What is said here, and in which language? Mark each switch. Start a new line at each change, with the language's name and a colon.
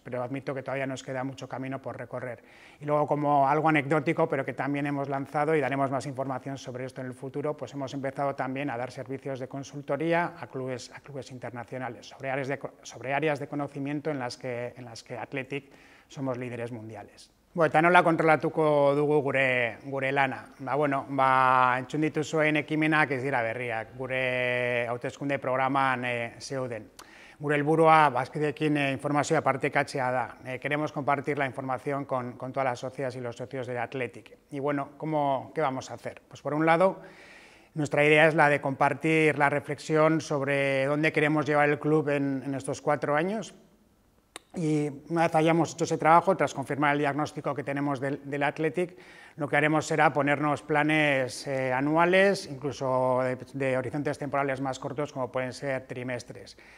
Spanish: Pero admito que todavía nos queda mucho camino por recorrer. Y luego, como algo anecdótico, pero que también hemos lanzado y daremos más información sobre esto en el futuro, hemos empezado también a dar servicios de consultoría a clubes internacionales sobre áreas de conocimiento en las que Athletic somos líderes mundiales.
Basque: Eta nola kontrolatuko dugu gure lana. Entzun dituzuen ekimenak ez dira berriak, gure hauteskunde programan zeuden. Gure helburua bazkideekin informazioa partekatzea da.
Spanish: Queremos compartir la información con todas las socias y los socios de Athletic. Y bueno, ¿qué vamos a hacer? Por un lado, nuestra idea es la de compartir la reflexión sobre dónde queremos llevar el club en estos 4 años. Y una vez hayamos hecho ese trabajo, tras confirmar el diagnóstico que tenemos del Athletic, lo que haremos será ponernos planes anuales, incluso de horizontes temporales más cortos, como pueden ser trimestres.